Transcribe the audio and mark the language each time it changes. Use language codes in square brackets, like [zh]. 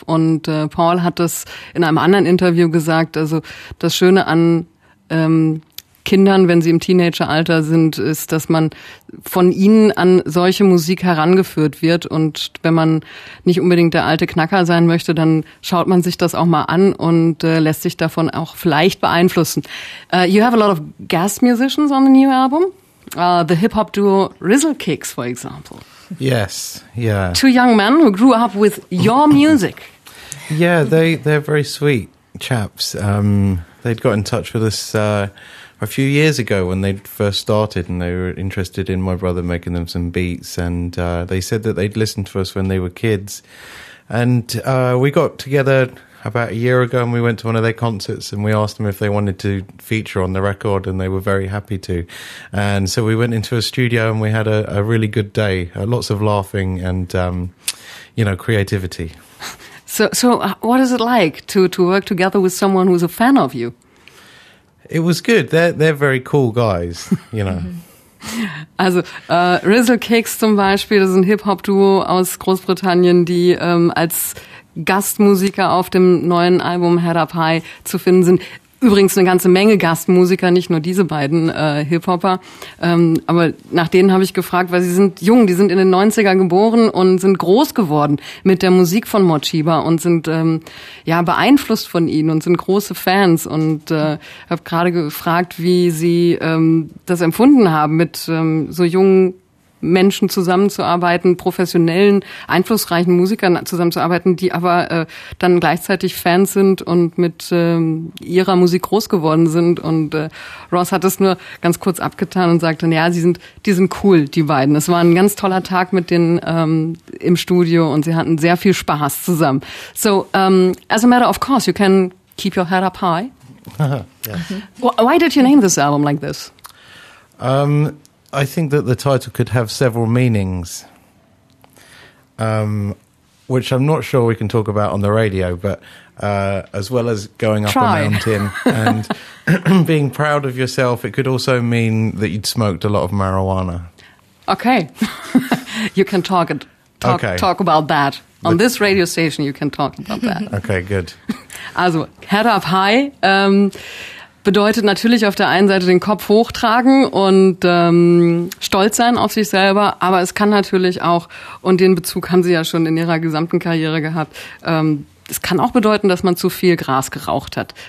[de] Und Paul hat das in einem anderen Interview gesagt, also das Schöne an Kindern, wenn sie im Teenageralter sind, ist, dass man von ihnen an solche Musik herangeführt wird. Und wenn man nicht unbedingt der alte Knacker sein möchte, dann schaut man sich das auch mal an und lässt sich davon auch vielleicht beeinflussen. [en] You have a lot of guest musicians on the new album. The hip-hop duo Rizzle Kicks, for example. Yes, yeah. Two young men who grew up with your music. Yeah, they're very sweet chaps. They'd got in touch with us... a few years ago when they first started and they were interested in my brother making them some beats and they said that they'd listened to us when they were kids. And we got together about a year ago and we went to one of their concerts and we asked them if they wanted to feature on the record and they were very happy to. And so we went into a studio and we had a really good day, lots of laughing and, creativity. So what is it like to work together with someone who's a fan of you? It was good. They're very cool guys, you know. [de] Also Rizzle Kicks zum Beispiel, das ist ein Hip-Hop-Duo aus Großbritannien, die als Gastmusiker auf dem neuen Album Head Up High zu finden sind. Übrigens eine ganze Menge Gastmusiker, nicht nur diese beiden Hip-Hopper. Aber nach denen habe ich gefragt, weil sie sind jung, die sind in den 90er geboren und sind groß geworden mit der Musik von Mod Chiba und sind beeinflusst von ihnen und sind große Fans. Und habe gerade gefragt, wie sie das empfunden haben, mit so jungen Menschen zusammenzuarbeiten, professionellen, einflussreichen Musikern zusammenzuarbeiten, die aber dann gleichzeitig Fans sind und mit ihrer Musik groß geworden sind. Und Ross hat es nur ganz kurz abgetan und sagte, ja, die sind cool, die beiden. Es war ein ganz toller Tag mit denen im Studio und sie hatten sehr viel Spaß zusammen. [en] So, as a matter of course, you can keep your head up high. Yeah. Why did you name this album like this? I think that the title could have several meanings, which I'm not sure we can talk about on the radio, but as well as going up a mountain and being proud of yourself, it could also mean that you'd smoked a lot of marijuana. Okay. You can talk about that. On this radio station, you can talk about that. Okay, good. [de] Also, Head Up High bedeutet natürlich auf der einen Seite den Kopf hochtragen und stolz sein auf sich selber, aber es kann natürlich auch, und den Bezug haben Sie ja schon in Ihrer gesamten Karriere gehabt, es kann auch bedeuten, dass man zu viel Gras geraucht hat.